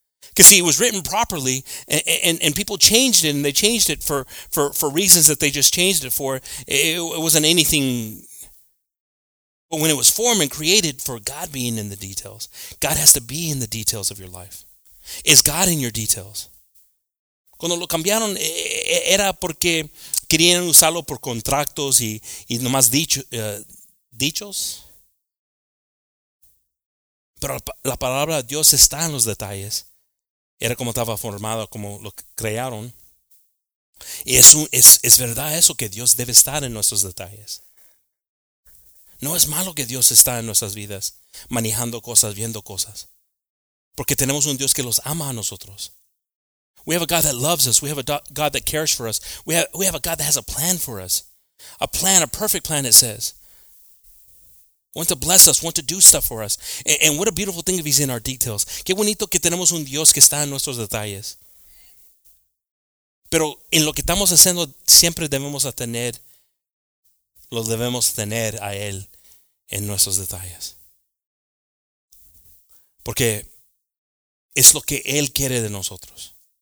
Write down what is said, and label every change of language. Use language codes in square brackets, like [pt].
[en] Because see, it was written properly, and people changed it, and they changed it for reasons that they just changed it for. It wasn't anything. But when it was formed and created for God being in the details, God has to be in the details of your life. Is God in your details? [es] Cuando lo cambiaron, era porque querían usarlo por contratos y nomás dichos. Pero la palabra de Dios está en los detalles. Era como estaba formado, como lo crearon. Y es verdad eso, que Dios debe estar en nuestros detalles. No es malo que Dios está en nuestras vidas, manejando cosas, viendo cosas. Porque tenemos un Dios que los ama a nosotros. [en] We have a God that loves us. We have a God that cares for us. We have a God that has a plan for us. A plan, a perfect plan, it says. Want to bless us, want to do stuff for us. And what a beautiful thing if he's in our details. [es] Qué bonito que tenemos un Dios que está en nuestros detalles. Pero en lo que estamos haciendo, siempre debemos tener a Él en nuestros detalles. Porque es lo que Él quiere de nosotros.